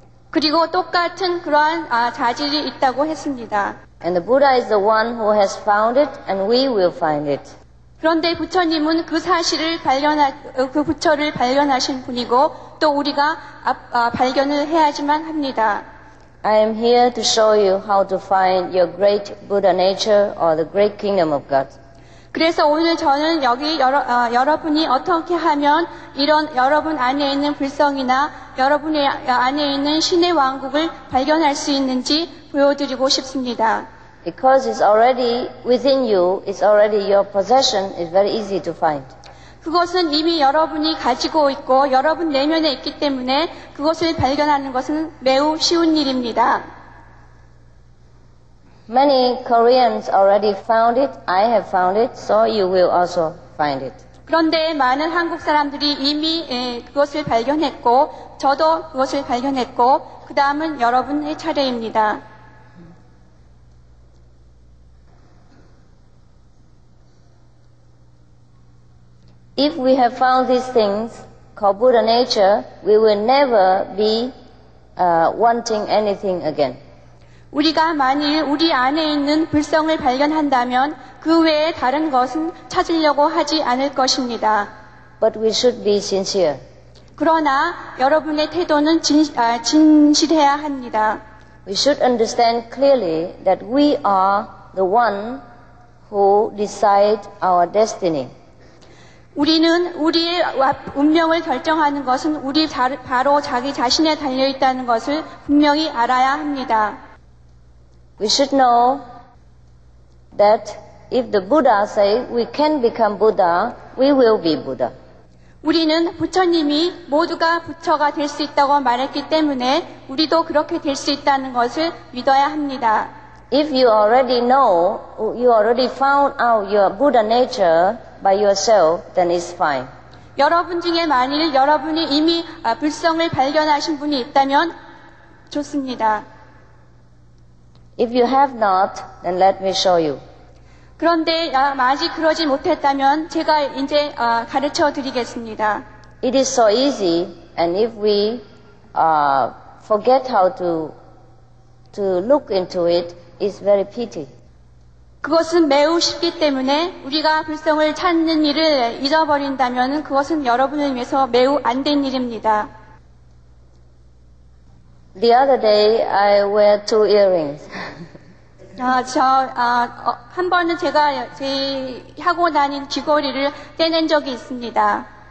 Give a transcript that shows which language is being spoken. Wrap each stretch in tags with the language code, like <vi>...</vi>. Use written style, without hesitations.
<ko>그리고 똑같은 그러한 자질이 있다고 했습니다.</ko> <en>And the Buddha is the one who has found it, and we will find it.</en> <ko>그런데 부처님은 그 부처를 발견하신 분이고 또 우리가 발견을 해야지만 합니다.</ko> <en>I am here to show you how to find your great Buddha nature or the great kingdom of God.</en> <ko>그래서 오늘 저는 여기 여러분이 어떻게 하면 이런 여러분 안에 있는 불성이나 여러분의 안에 있는 신의 왕국을 발견할 수 있는지 보여드리고 싶습니다.</ko> <en>Because it's already within you, it's already your possession, it's very easy to find.</en> <ko>그것은 이미 여러분이 가지고 있고 여러분 내면에 있기 때문에 그것을 발견하는 것은 매우 쉬운 일입니다.</ko> <en>Many Koreans already found it. I have found it, so you will also find it.</en> <ko>그런데 많은 한국 사람들이 이미 그것을 발견했고 저도 그것을 발견했고 그 다음은 여러분의 차례입니다.</ko> <en>If we have found these things called Buddha nature, we will never be wanting anything again.</en> <ko>우리가 만일 우리 안에 있는 불성을 발견한다면 그 외에 다른 것은 찾으려고 하지 않을 것입니다.</ko> <en>But we should be sincere.</en> <ko>그러나 여러분의 태도는 진실해야 합니다.</ko> <en>We should understand clearly that we are the one who decide our destiny.</en> <ko>우리는 우리의 운명을 결정하는 것은 우리 바로 자기 자신에 달려 있다는 것을 분명히 알아야 합니다.</ko> <en>We should know that if the Buddha say we can become Buddha, we will be Buddha.</en> <ko>우리는 부처님이 모두가 부처가 될 수 있다고 말했기 때문에 우리도 그렇게 될 수 있다는 것을 믿어야 합니다.</ko> <en>If you already know, you already found out your Buddha nature by yourself, then it's fine.</en> <ko>여러분 중에 만일 여러분이 이미 불성을 발견하신 분이 있다면 좋습니다.</ko> <en>If you have not, then let me show you.</en> <ko>그런데 아직 그러지 못했다면 제가 이제 가르쳐 드리겠습니다.</ko> <en>It is so easy, and if we forget how to look into it, it's very pity.</en> <ko>그것은 매우 쉽기 때문에 우리가 불성을 찾는 일을 잊어버린다면 그것은 여러분을 위해서 매우 안 된 일입니다.</ko> <en>The other day, I wear two earrings.</en> <ko>한 번은 제가 제 하고 다닌 귀걸이를 떼낸 적이 있습니다.</ko>